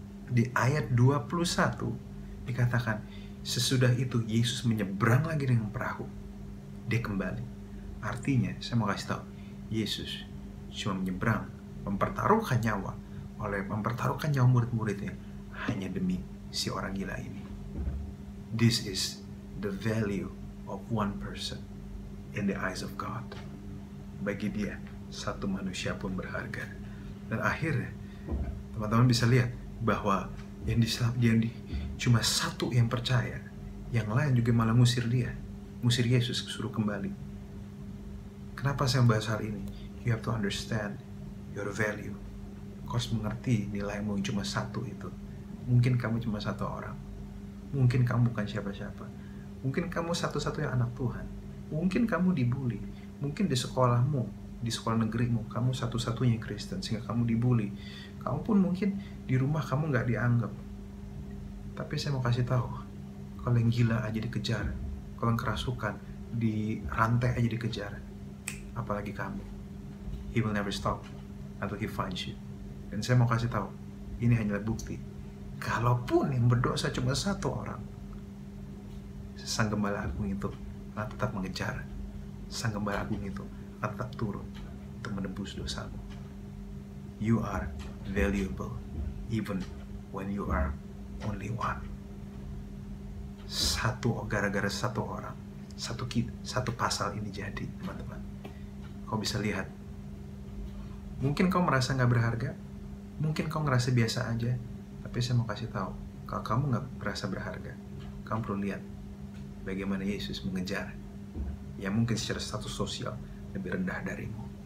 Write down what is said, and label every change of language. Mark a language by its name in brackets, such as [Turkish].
[Indonesian] Di ayat 21 dikatakan, sesudah itu Yesus menyeberang lagi dengan perahu. Dia kembali. Artinya, saya mau kasih tahu, Yesus cuma menyeberang, mempertaruhkan nyawa, oleh mempertaruhkan nyawa murid-muridnya, hanya demi si orang gila ini. [English] This is the value of one person in the eyes of God. [Indonesian] Bagi dia, satu manusia pun berharga. Dan akhirnya, teman-teman bisa lihat bahwa yang diselap dia ini cuma satu yang percaya, yang lain juga malah ngusir dia, ngusir Yesus, suruh kembali. Kenapa saya membahas hal ini? [English] You have to understand your value. [Indonesian] Kau harus mengerti nilaimu yang cuma satu itu. Mungkin kamu cuma satu orang. Mungkin kamu bukan siapa-siapa. Mungkin kamu satu-satunya anak Tuhan. Mungkin kamu dibully. Mungkin di sekolahmu, di sekolah negerimu, kamu satu-satunya Kristen sehingga kamu dibully. Kamu pun mungkin di rumah kamu gak dianggap. Tapi saya mau kasih tahu, kalau yang gila aja dikejar, kalau yang kerasukan, dirantai aja dikejar, apalagi kamu. [English] He will never stop until he finds you. [Indonesian] Dan saya mau kasih tahu, ini hanyalah bukti. Kalaupun yang berdosa cuma satu orang, sang gembala agung itu akan tetap mengejar. Sang gembala agung itu akan tetap turun untuk menebus dosamu. [English] You are valuable even when you are only one. [Indonesian] Satu gara-gara satu orang, satu pasal ini jadi, teman-teman. Kau bisa lihat, mungkin kau merasa gak berharga, mungkin kau ngerasa biasa aja, tapi saya mau kasih tahu, kalau kamu gak merasa berharga, kamu perlu lihat bagaimana Yesus mengejar yang mungkin secara status sosial lebih rendah darimu.